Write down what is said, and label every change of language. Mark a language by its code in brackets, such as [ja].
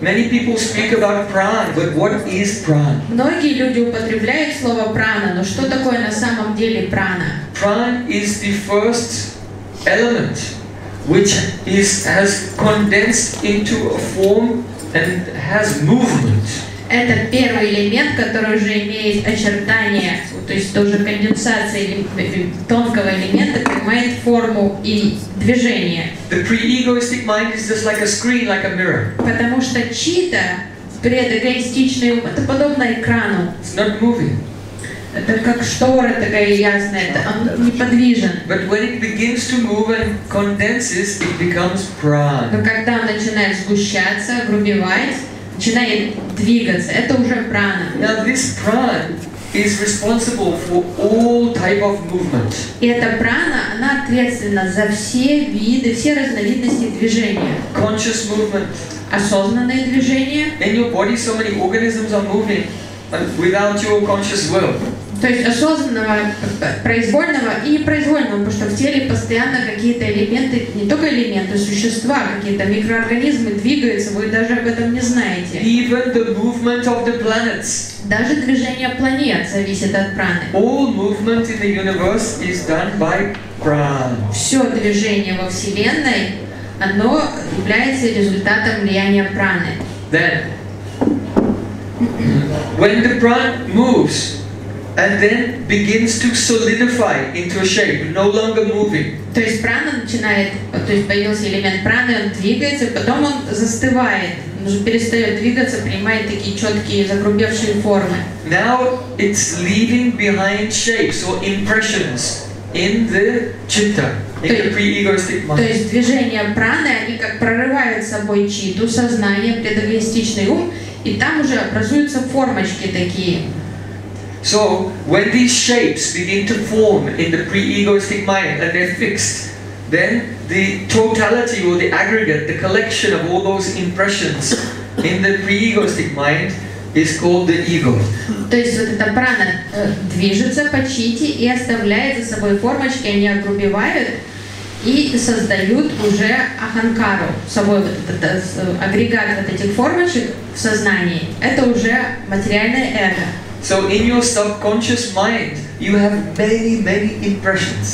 [en] Many people speak about prana, but what is prana? [ru] Многие люди употребляют слово прана, но что такое на самом деле прана? [en] Prana is the first element which is has condensed into a form and has movement. [ru] Это первый элемент, который уже имеет очертания, то есть тоже конденсация тонкого элемента, принимает форму и движение. [en] The pre-egoistic mind is just like a screen, like a mirror. [ru] Потому что чита, предэгоистичный ум, это подобно экрану. [en] It's not moving. [ru] Это как штора такая ясная, это он неподвижен. [en] But when it begins to move and condenses, it becomes prana. [ru] Но когда он начинает сгущаться, огрубевать, начинает двигаться, это уже прана. [en] Now this prana is responsible for all type of movement. [ru] И эта прана, она ответственна за все виды, все разновидности движения. [en] Conscious movement. [ru] Осознанное движение. [en] In your body, so many organisms are moving without your conscious will. [ru] То есть осознанного, произвольного и непроизвольного, потому что в теле постоянно какие-то элементы, не только элементы, существа, какие-то микроорганизмы двигаются, вы даже об этом не знаете. [en] Even the movement of the planets. [ru] Даже движение планет зависит от праны. [en] All movement in the universe is done by prana. [ru] Все движение во Вселенной, оно является результатом влияния праны. [en] Then, when the prana moves, and then begins to solidify into a shape, no longer moving. [ru] То есть прана начинает, то есть появился элемент праны, он двигается, потом он застывает, он уже перестает двигаться, принимает такие четкие загрубевшие формы. [en] Now it's leaving behind shapes or impressions in the citta, in the pre-egoistic mind. [ru] То есть движения праны, они как прорывают с собой читу, сознание, предэгоистичный ум, и там уже образуются формочки такие. [en] So when these shapes begin to form in the pre-egoistic mind and they're fixed, then the totality or the aggregate, the collection of all those impressions in the pre-egoistic mind is called the ego. [ru] То есть вот эта прана движется по чите и оставляет за собой формочки, они огрубевают и создают уже аханкару, собой вот этот агрегат вот этих формочек в сознании. Это уже материальное эго. [en] So in your subconscious mind, you have many, many impressions.